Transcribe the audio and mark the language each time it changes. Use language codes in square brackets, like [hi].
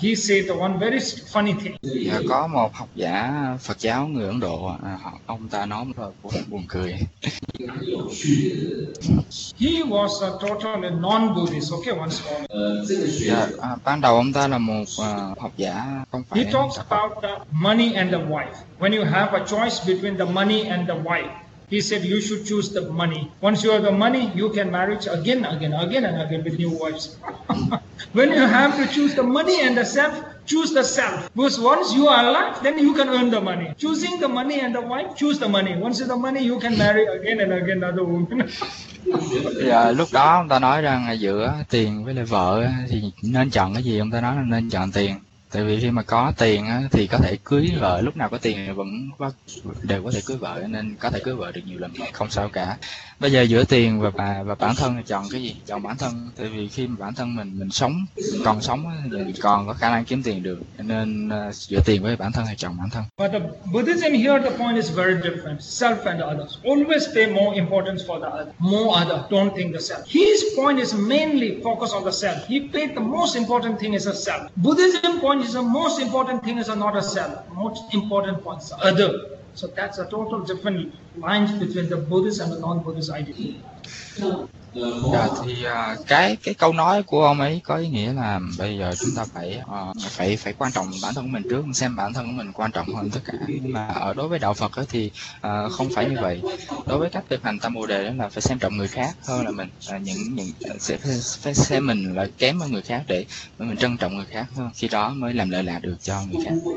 [en] He said the one very funny thing. [vi] Dạ, có một học giả Phật giáo người Ấn Độ, ông ta nói một lời buồn cười. [en] He was a total non-Buddhist, okay, one scholar. [vi] Dạ, ban đầu ông ta là một học giả không phải. [en] He talks about the money and the wife. When you have a choice between the money and the wife, he said you should choose the money. Once you have the money, you can marry again and again with new wives. When you have to choose the money and the self, choose the self. Because once you are alive, then you can earn the money. Choosing the money and the wife, choose the money. Once you have the money, you can marry again and again another woman. [vi] Lúc đó ông ta nói rằng giữa tiền với lại vợ thì nên chọn cái gì, ông ta nói là nên chọn tiền, tại vì khi mà có tiền thì có thể cưới vợ, lúc nào có tiền thì vẫn đều có thể cưới vợ, nên có thể cưới vợ được nhiều lần không sao cả. Bây giờ giữa tiền và bản thân thì chọn cái gì? Chọn bản thân, tại vì khi mà bản thân mình sống, mình còn sống thì mình còn có khả năng kiếm tiền được, nên giữa tiền với bản thân thì chọn bản thân. [en] But the Buddhism here, the point is very different. Self and others. Always pay more importance for the other. More other. Don't think the self. His point is mainly focus on the self. He paid the most important thing is a self. Buddhism point is the most important thing is not a self. Most important point is the other. So that's a total different lines between the Buddhist and the non-Buddhist idea. [vi] Dạ, thì cái câu nói của ông ấy có ý nghĩa là bây giờ chúng ta phải phải phải quan trọng bản thân của mình trước, xem bản thân của mình quan trọng hơn tất cả. Mà ở đối với đạo Phật ấy, thì không phải như vậy. Đối với cách thực hành Tam Bồ Đề đó là phải xem trọng người khác hơn là mình, những phải xem mình là kém hơn người khác để mình trân trọng người khác hơn, khi đó mới làm lợi lạc được cho người khác.